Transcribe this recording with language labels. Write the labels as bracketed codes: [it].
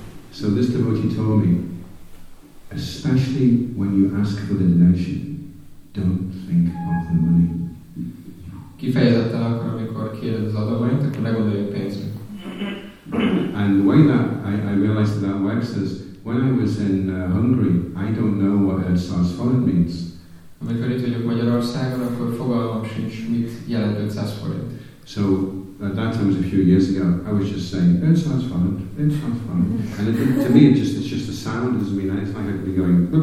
[en] So this devotee told me, especially when you ask for the donation, don't think of the money. [hu] Kifejezetten akkor, amikor kérdez az adományt, akkor ne gondolj a pénzre. [en] And the way that I realized that works is when I was in Hungary, I don't know what Sarsfolyant means. [hu] Amikor itt vagyok Magyarországon, akkor fogalmam sincs, mit jelent Sarsfolyant. [en] So at that time, it was a few years ago, I was just saying Sarsfolyant, Sarsfolyant. And to me, it's just the sound, doesn't mean it's like I'd be going.